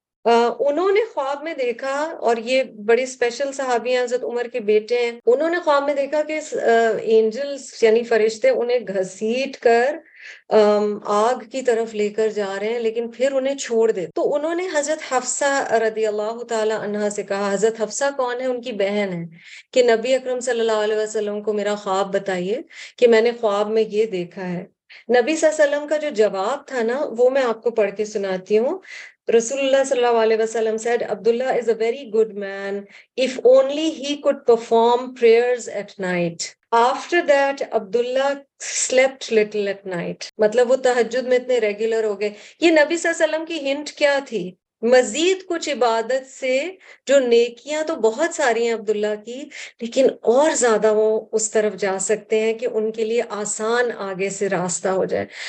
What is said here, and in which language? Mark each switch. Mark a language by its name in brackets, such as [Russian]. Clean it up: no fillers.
[Urdu] انہوں نے خواب میں دیکھا, اور یہ بڑے اسپیشل صحابی ہیں, حضرت عمر کے بیٹے ہیں, انہوں نے خواب میں دیکھا کہ اینجلز یعنی فرشتے انہیں گھسیٹ کر آگ کی طرف لے کر جا رہے ہیں, لیکن پھر انہیں چھوڑ دے. تو انہوں نے حضرت حفصہ رضی اللہ تعالی عنہا سے کہا, حضرت حفصہ کون ہے, ان کی بہن ہے, کہ نبی اکرم صلی اللہ علیہ وسلم کو میرا خواب بتائیے کہ میں نے خواب میں یہ دیکھا ہے. نبی صلی اللہ علیہ وسلم کا جو جواب تھا نا, وہ میں آپ کو پڑھ کے سناتی ہوں. [Arabic] رسول اللہ صلی اللہ علیہ وسلم [English] said, Abdullah is a very good man, if only he could perform prayers at night. After that, Abdullah slept little at night. [Urdu] مطلب وہ تہجد میں اتنے ریگولر ہو گئے. یہ نبی صلی اللہ علیہ وسلم کی ہنٹ کیا تھی؟ مزید کچھ عبادت سے, جو نیکیاں تو بہت ساری ہیں عبداللہ کی, لیکن اور زیادہ وہ اس طرف جا سکتے ہیں کہ ان کے لیے آسان آگے سے راستہ ہو جائے.